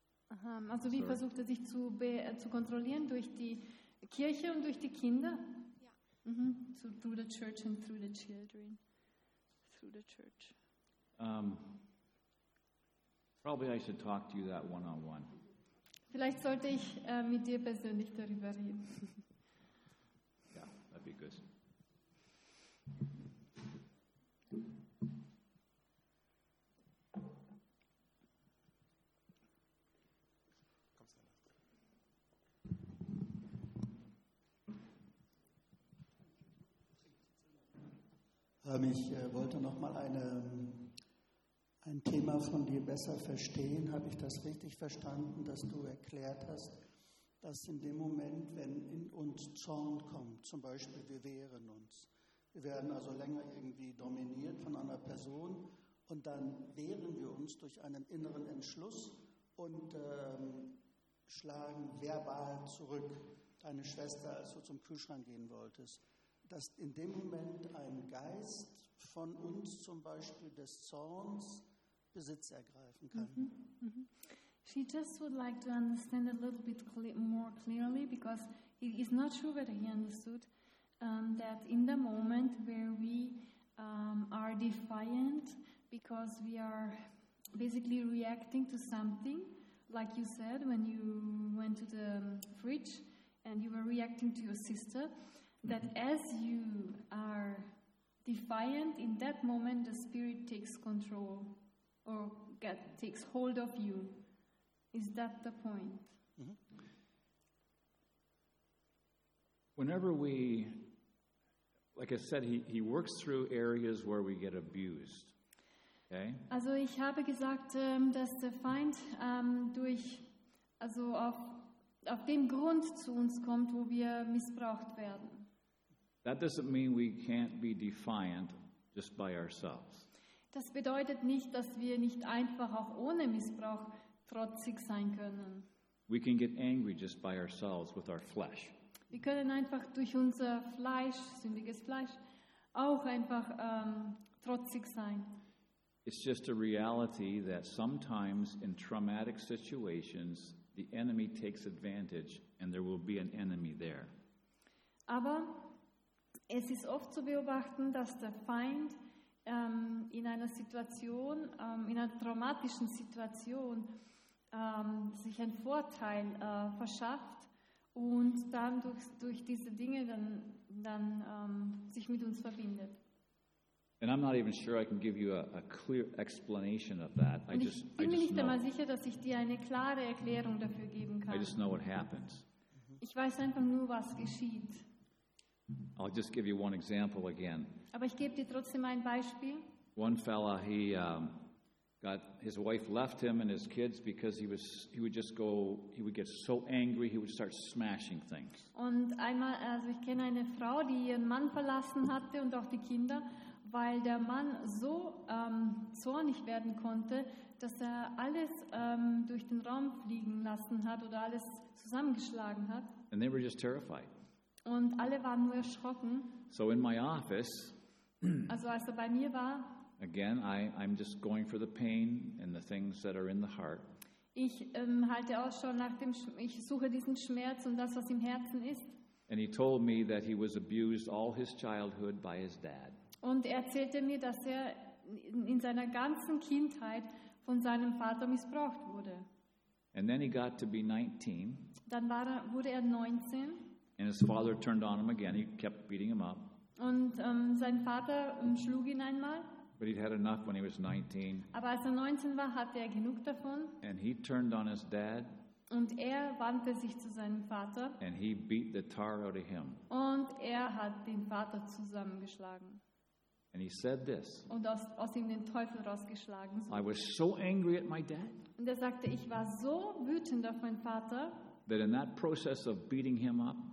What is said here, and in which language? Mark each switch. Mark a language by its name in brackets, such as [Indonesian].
[German] Aha, also wie versucht sich zu kontrollieren? Durch die Kirche und durch die Kinder? Ja. [English] Through the church and through the children. Through the church. Probably I should talk to you that one on one. [German] Vielleicht sollte ich mit dir persönlich darüber reden. [English] Yeah, that'd be good. [German] Ich wollte noch mal ein Thema von dir besser verstehen. Habe ich das richtig verstanden, dass du erklärt hast, dass in dem Moment, wenn in uns Zorn kommt, zum Beispiel wir wehren uns, wir werden also länger irgendwie dominiert von einer Person und dann wehren wir uns durch einen inneren Entschluss und schlagen verbal zurück. Deine Schwester, als du zum Kühlschrank gehen wolltest, dass in dem Moment ein Geist von uns zum Beispiel des Zorns Besitz ergreifen kann. Mm-hmm, mm-hmm. [English] She just would like to understand a little bit more clearly, because he is not sure whether he understood that in the moment where we are defiant, because we are basically reacting to something, like you said when you went to the fridge and you were reacting to your sister, that as you are defiant, in that moment the spirit takes control or takes hold of you. Is that the point? Mm-hmm. Whenever we, like I said, he works through areas where we get abused. Okay? [German] Also ich habe gesagt, dass der Feind durch, also auf dem Grund zu uns kommt, wo wir missbraucht werden. [English] That doesn't mean we can't be defiant just by ourselves. [German] Das bedeutet nicht, dass wir nicht einfach auch ohne Missbrauch trotzig sein können. [English] We can get angry just by ourselves with our flesh. [German] Wir können einfach durch unser Fleisch, sündiges Fleisch, auch einfach trotzig sein. [English] It's just a reality that sometimes in traumatic situations the enemy takes advantage and there will be an enemy there. [German] Aber es ist oft zu beobachten, dass der Feind in einer Situation, in einer traumatischen Situation, sich einen Vorteil verschafft und dann durch diese Dinge dann sich mit uns verbindet. [English] And I'm not even sure I can give you a clear explanation of that. [German] Ich bin mir nicht einmal sicher, dass ich dir eine klare Erklärung dafür geben kann. [English] I just know what happens. [German] Ich weiß einfach nur, was geschieht. [English] I'll just give you one example again. [German] Aber ich gebe dir trotzdem ein Beispiel. [English] One fella, he His wife left him and his kids because he would get so angry, he would start smashing things. [German] Und einmal, also ich kenne eine Frau, die ihren Mann verlassen hatte und auch die Kinder, weil der Mann so zornig werden konnte, dass er alles durch den Raum fliegen lassen hat oder alles zusammengeschlagen hat. [English] And they were just terrified. [German] Und alle waren nur erschrocken. [English] So in my office, [German] also als er bei mir war, [English] again, I'm just going for the pain and the things that are in the heart. [German] Ich halte Ausschau nach dem ich suche diesen Schmerz und das, was im Herzen ist. [English] And he told me that he was abused all his childhood by his dad. [German] Und er erzählte mir, dass er in seiner ganzen Kindheit von seinem Vater missbraucht wurde. [English] And then he got to be 19. [German] Dann wurde er 19. [English] And his father turned on him again. He kept beating him up. [German] Und sein Vater schlug ihn einmal. [English] But he'd had enough when he was 19. [German] Aber als er 19 war, hatte er genug davon. [English] And he turned on his dad. [German] Und er wandte sich zu seinem Vater. [English] And he beat the tar out of him. [German] Und er hat den Vater zusammengeschlagen. [English] And he said this. [German] Und aus ihm den Teufel rausgeschlagen. [English] I was so angry at my dad. [German] Und er sagte, ich war so wütend auf meinen Vater. [English] That in that process of beating him up.